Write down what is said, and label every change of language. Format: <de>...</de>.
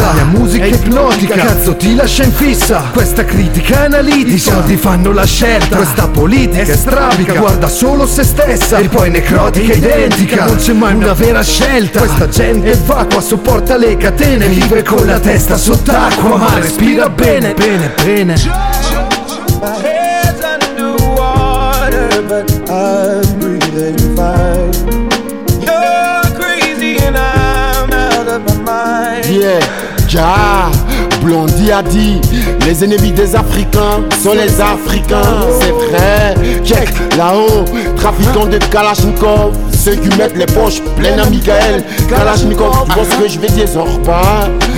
<it>La mia musica è ipnotica, cazzo ti lascia in fissa. Questa critica è analitica, i soldi fanno la scelta. Questa politica è strabica, guarda solo se stessa. E poi necrotica identica, non c'è mai una vera scelta. Questa gente è vacua, sopporta le catene, vive con la testa sott'acqua, ma respira bene, bene, bene.</it> <en>My head's underwater, but I'm breathing fine.</en> <fr>Yeah, ja, Blondie a dit, les ennemis des Africains sont les Africains, c'est vrai. Check là-haut, trafiquant de Kalachnikov, ceux qui mettent les poches pleines à Michael Kalachnikov, tu vois ce que je vais dire, Zorba.</fr>